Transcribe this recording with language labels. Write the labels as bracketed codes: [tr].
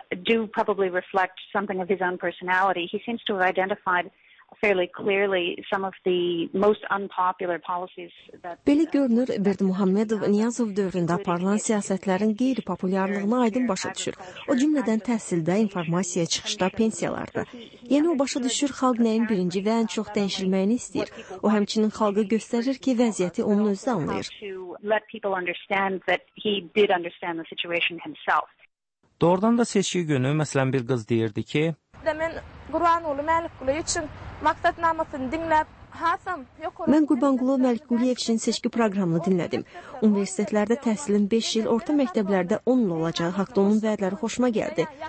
[en] Do probably reflect something of his own personality. He seems to have identified fairly clearly some of the most unpopular policies that [az] Belə görünür, Berdimuhamedov Niyazov dövründə aparılan siyasətlərin qeyri-populyarlığını aydın başa düşür. O cümlədən təhsildə, informasiyaya çıxışda, pensiyalarda. Yəni o başa düşür xalq nəyin birinci və ən çox dəyişilməyini istəyir. O həmçinin xalqı göstərir ki, vəziyyəti onun özü də anlayır. [en] Let people understand that he did understand the situation himself. [az] Doğrudan da seçki günü, məsələn, bir qız deyirdi ki, Mən Qurbanqulu Məlikquliyev üçün seçki proqramını dinlədim. Universitetlərdə təhsilin 5 il, orta məktəblərdə 10 il olacağı haqda onun vədləri xoşuma gəldi.